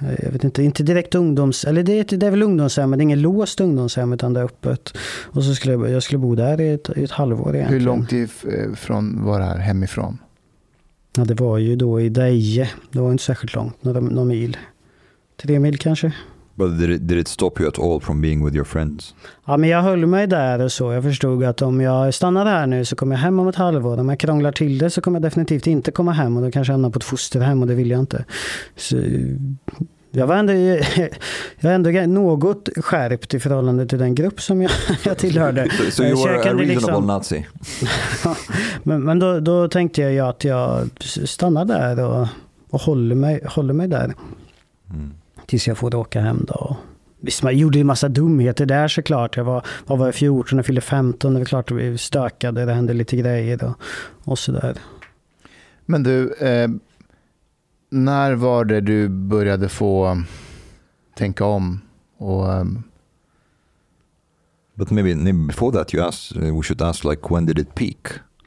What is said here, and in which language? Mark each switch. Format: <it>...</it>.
<sv>Jag vet inte direkt ungdoms, eller det är väl ungdomshem, men det är ingen låst ungdomshem utan det är öppet. Och så skulle jag skulle bo där i ett halvår egentligen. Hur långt från var det här hemifrån? Ja, det var ju då i Deje. Det var inte särskilt långt, några mil. 3 mil kanske.</sv> <en>But did it stop you at all from being with your friends?</en> <sv>Ja, men jag höll mig där och så. Jag förstod att om jag stannar här nu så kommer jag hem om ett halvår. Om jag krånglar till det så kommer jag definitivt inte komma hem. Och då kanske jag hamnar på ett fosterhem och det vill jag inte. Så jag var ändå något skärpt i förhållande till den grupp som jag tillhörde.</sv> <en>So you were a reasonable liksom... Nazi.</en> <sv>men då tänkte jag att jag stannar där och håller mig där. Mm. Tills jag får åka hem då. Visst, man gjorde ju en massa dumheter där såklart. Jag var 14 och fyllde 15. Det var klart att vi stökade. Det hände lite grejer och sådär. Men du, när var det du började få tänka om?</sv> <en>But maybe before that we should ask like when did it peak?</en>